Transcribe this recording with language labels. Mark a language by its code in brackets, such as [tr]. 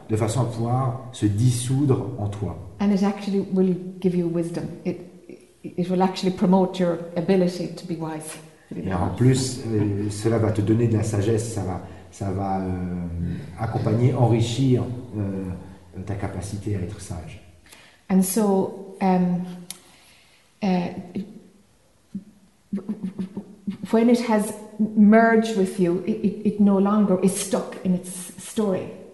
[fr] de façon à pouvoir se dissoudre en toi. [en] And it actually will give you wisdom. It will actually promote your ability to be wise. [fr] Et en plus, cela va te donner de la sagesse, ça va accompagner, enrichir ta capacité à être sage. [en] And so, when it has merged with you, it no longer is stuck in its story.